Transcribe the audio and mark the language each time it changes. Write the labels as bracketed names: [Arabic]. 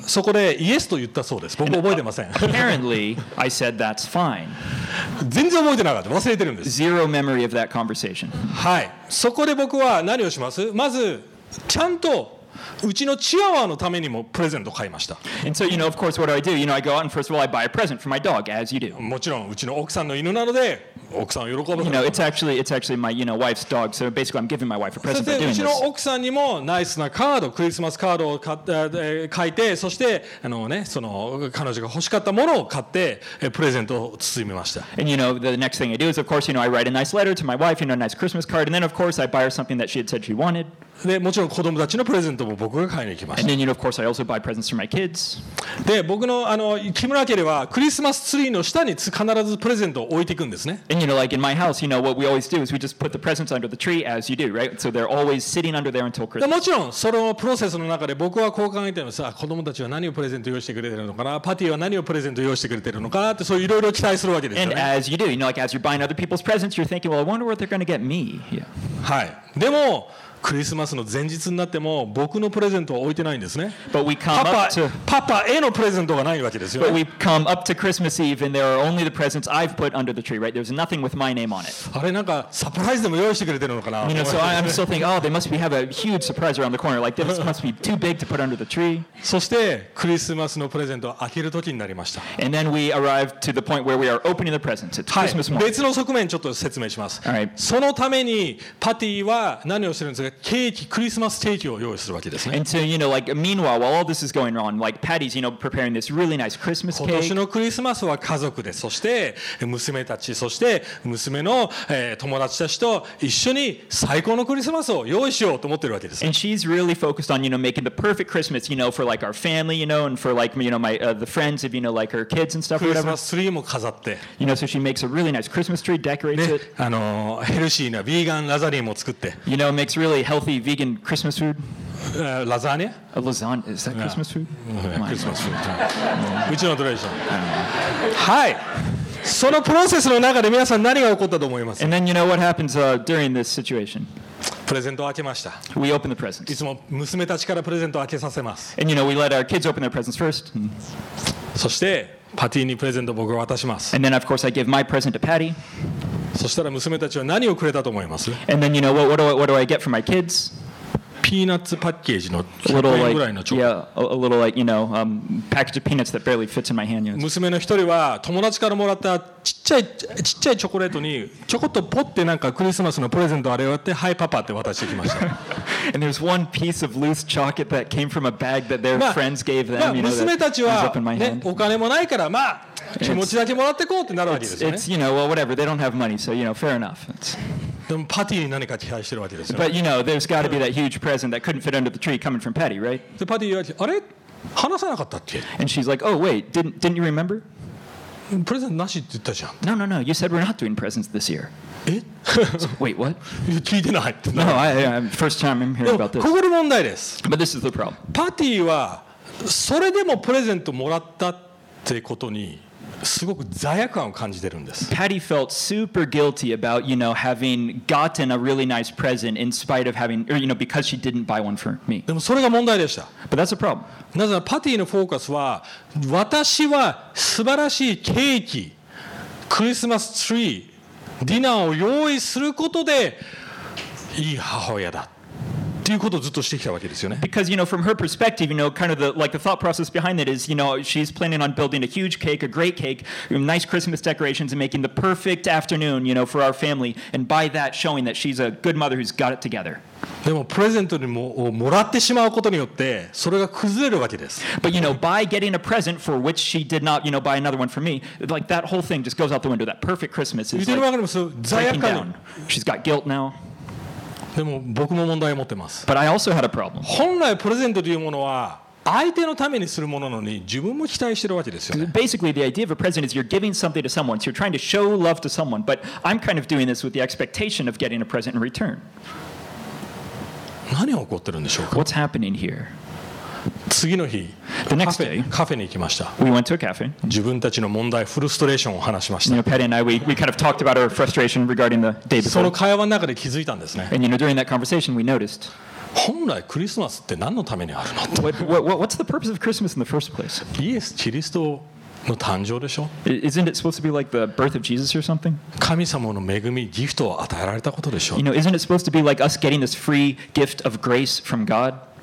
[Japanese] 僕はそこでイエスと言ったそうです。僕覚えてません。 [English] Apparently, I said that's fine. [Japanese] 全然覚えてなかった。忘れてるんです。 [English] Zero memory of that conversation. [Japanese] はい。そこで僕は何をします?まず、ちゃんとうちのチワワのためにもプレゼントを買いました。 [English] And so, you know, of course, what do? You know, I go out and first of all, I buy a present for my dog, as you do. [Japanese] もちろんうちの奥さんの犬なので、奥さんを喜ぶ。 [English] You know, it's actually my, you know, wife's dog. So basically, I'm giving my wife a present for doing this. [Japanese] うちの奥さんにもナイスなカード、クリスマスカードを書いて、そしてね、その彼女が欲しかったものを買ってプレゼントを包みました。 [English] And you know, the next thing I do is, of course, you know, I write a nice letter to my wife, you know, a nice Christmas card, and then of course, I buy her something that she had said she wanted. [Japanese] でもちろん子供たちのプレゼントも僕が買いに行きました。 [English] And then, you know, of course, I also buy presents for my kids. [Japanese] で僕の木村家ではクリスマスツリーの下に必ずプレゼントを置いていくんですね。 [English] And you know, like in my house, you know, what we always do is we just put the presents under the tree as you do, right? So they're always sitting under there until Christmas. [Japanese] もちろんそのプロセスの中で僕はこう考えてます。子供たちは何をプレゼント用意してくれてるのかな、パティは何をプレゼント用意してくれてるのかなってそういろいろ期待するわけですよね。 [English] And as you do, you know, like as you're buying other people's presents, you're thinking, well, I wonder what they're going to get me. Yeah. [Japanese] はい。でもクリスマスの前日になっても僕のプレゼントは置いてないんですね。パパへのプレゼントがないわけですよ。 [English] But we come up to Christmas Eve and there are only the presents I've put under the tree, right? There's nothing with my name on it. [Japanese] あれなんかサプライズでも用意してくれてるのかな。 [English] You know, so I'm still thinking, oh, they must be have a huge surprise around the corner. Like this must be too big to put under the tree. [Japanese] そしてクリスマスのプレゼントを開けるときになりました。 [English] And then we arrive to the point where we are opening the presents. It's Christmas morning. [Japanese] 別の側面ちょっと説明します。そのためにパティは何をしてるんですか。ケーキ、クリスマスケーキを用意するわけですね。 [English] And so, you know, like, meanwhile, while all this is going on, like, Patty's, you know, preparing this really nice Christmas cake. [Japanese] 今年のクリスマスは家族で、そして娘たち、そして娘の、友達たちと一緒に最高のクリスマスを用意しようと思ってるわけですね。 [English] And she's really focused on, you know, making the perfect Christmas, you know, for like our family, you know, and for like, you know, my, the friends of, you know, like her kids and stuff or whatever. [Japanese] クリスマスツリーも飾って。 [English] You know, so she makes a really nice Christmas tree, decorates it. [Japanese] あの、ヘルシーなビーガンラザニアも作って。 [English] You know, makes really healthy vegan Christmas food. Lasagna? A lasagna? Is that Christmas food? Christmas food. [Japanese] うちのトレーション。はい。そのプロセスの中で皆さん何が起こったと思いますか? [English] And then you know what happens, during this situation? [Japanese] プレゼントを開けました。 [English] We open the presents. [Japanese] いつも娘たちからプレゼントを開けさせます。 [English] And you know, we let our kids open their presents first. [Japanese] そしてパティにプレゼントを僕が渡します。 [English] And then of course I give my present to Patty. [Japanese] そしたら娘たちは何をくれたと思います? [English] And then you know, what do I get for my kids? [Japanese] ピーナッツパッケージの100円ぐらいのチョコ。 [English] Yeah, a little like, you know, package of peanuts that barely fits in my hand. [Japanese] 娘の一人は友達からもらったちっちゃいチョコレートにちょこっとポってなんかクリスマスのプレゼントあれをやってはいパパって渡してきました。 [English] And there's one piece of loose chocolate that came from a bag that their friends gave them. [Japanese] まあ娘たちはね、お金もないからまあ気持ちだけもらってこうってなるわけですね。 [English] It's you know, well, whatever. They don't have money, so you know, fair enough. It's... [Japanese] でもパティに何か期待してるわけですよ。 [English] But you know, there's got to be that huge present that couldn't fit under the tree coming from Patty, right? [Japanese] でパティはあれ話さなかったっけ [English] ？And she's like, oh wait, didn't you remember? [Japanese] プレゼントなしって言ったじゃん。 [English] No, you said we're not doing presents this year. [Japanese] え [English] Wait, what? [Japanese] 聞いてない。 [English] No, I'm first time I'm hearing about this. [Japanese] ここで問題です。 [English] But this is the problem. [Japanese] パティはそれでもプレゼントもらったってことに。すごく罪悪感を感じてるんです。 [English] Patty felt super guilty about, you know, having gotten a really nice present in spite of having, or, you know, because she didn't buy one for me. [Japanese] でもそれが問題でした。 [English] But that's a problem. [Japanese] なぜなら、パティのフォーカスは、私は素晴らしいケーキ、クリスマスツリー、ディナーを用意することで、いい母親だ。ということをずっとしてきたわけですよね。 [English] Because you know, from her perspective, you know, kind of the like the thought process behind that is, you know, she's planning on building a huge cake, a great cake, nice Christmas decorations, and making the perfect afternoon, you know, for our family, and by that showing that she's a good mother who's got it together. [Japanese] でもプレゼントにも、をもらってしまうことによってそれが崩れるわけです。 [English] But you know, by getting a present for which she did not, you know, buy another one for me, like that whole thing just goes out the window. That perfect Christmas is like breaking down. She's got guilt now. [Japanese] でも僕も問題を持ってます。 [English] But I also had a problem. [Japanese] 本来プレゼントというものは相手のためにするものなのに自分も期待してるわけですよね。 [English] Basically, the idea of a present is you're giving something to someone, so you're trying to show love to someone, but I'm kind of doing this with the expectation of getting a present in return. [Japanese] 何が起こってるんでしょうか? [English] What's happening here? [Japanese] 次の日、 [English] the next day, [Japanese] カフェに行きました。 [English] We went to a cafe. [Japanese] 自分たちの問題、フルストレーションを話しました。 [English] You know, Patty and I, we kind of talked about our frustration regarding the day before. [Japanese] その会話の中で気づいたんですね。 [English] And you know, during that conversation, we noticed. [Japanese] 本来クリスマスって何のためにあるの? [English] What's the purpose of Christmas in the first place? [Japanese] イエス・キリストの誕生でしょ? [English] Isn't it supposed to be like the birth of Jesus or something? [Japanese] 神様の恵み、ギフトを与えられたことでしょ? [English] You know, isn't it supposed to be like us getting this free gift of grace from God?